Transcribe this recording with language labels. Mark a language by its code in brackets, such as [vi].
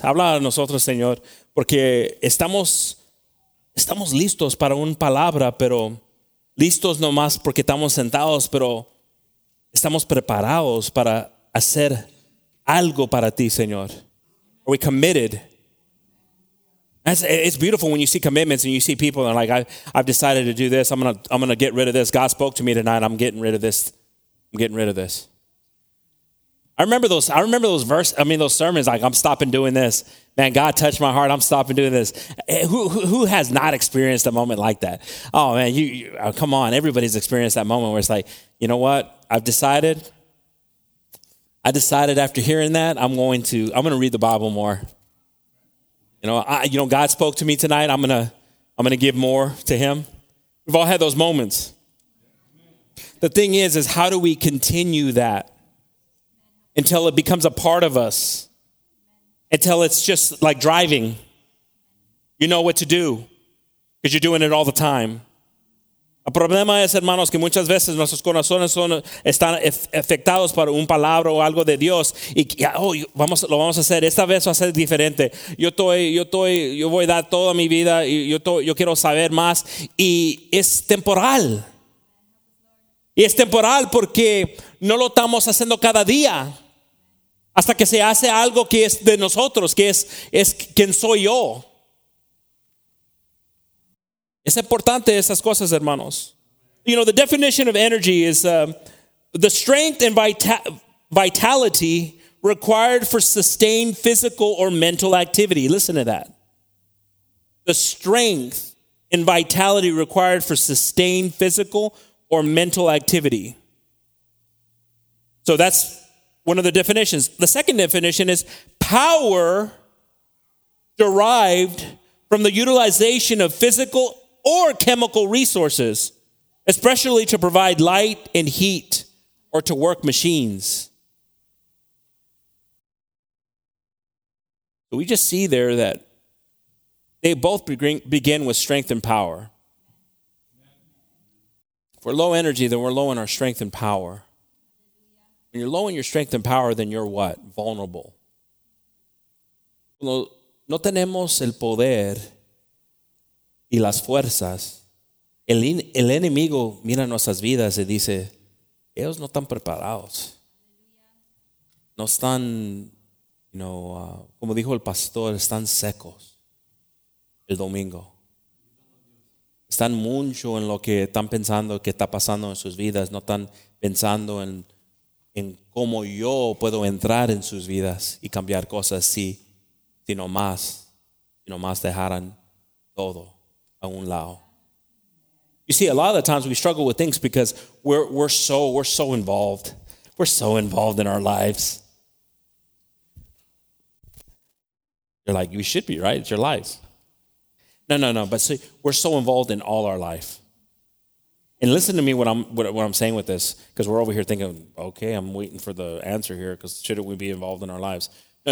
[es] Habla a nosotros, Señor, porque estamos listos para una palabra, pero listos no más porque estamos sentados, pero estamos preparados para hacer algo para ti, Señor. [en] Are we committed? It's beautiful when you see commitments and you see people and like, I've decided to do this. I'm gonna get rid of this. God spoke to me tonight. I'm getting rid of this. I remember those sermons. Like, I'm stopping doing this. Man, God touched my heart. I'm stopping doing this. Who has not experienced a moment like that? Oh man, you come on. Everybody's experienced that moment where it's like, you know what? I decided after hearing that, I'm gonna read the Bible more. You know, God spoke to me tonight. I'm gonna give more to him. We've all had those moments. The thing is how do we continue that until it becomes a part of us? Until it's just like driving. You know what to do because you're doing it all the time. [es] El problema es, hermanos, que muchas veces nuestros corazones están afectados por una palabra o algo de Dios. Y vamos a hacer, esta vez va a ser diferente. Yo voy a dar toda mi vida y yo quiero saber más. Y es temporal. Y es temporal porque no lo estamos haciendo cada día. Hasta que se hace algo que es de nosotros, que es quien soy yo. Es importante esas cosas, hermanos. [en] You know, the definition of energy is the strength and vitality required for sustained physical or mental activity. Listen to that. The strength and vitality required for sustained physical or mental activity. So that's one of the definitions. The second definition is power derived from the utilization of physical or chemical resources, especially to provide light and heat or to work machines. We just see there that they both begin with strength and power. If we're low energy, then we're low in our strength and power. When you're low in your strength and power, then you're what? Vulnerable. [es] No tenemos el poder y las fuerzas, el enemigo mira nuestras vidas y dice, ellos no están preparados. No están, [en] you know, [es] como dijo el pastor, están secos el domingo. Están mucho en lo que están pensando, que está pasando en sus vidas. No están pensando en cómo yo puedo entrar en sus vidas y cambiar cosas si nomás dejaran todo. A un lado. [en] You see, a lot of the times we struggle with things because we're so involved. We're so involved in our lives. You're like, you should be, right? It's your lives. No. But see, we're so involved in all our life. And listen to me what I'm saying with this, because we're over here thinking, okay, I'm waiting for the answer here, because shouldn't we be involved in our lives? No.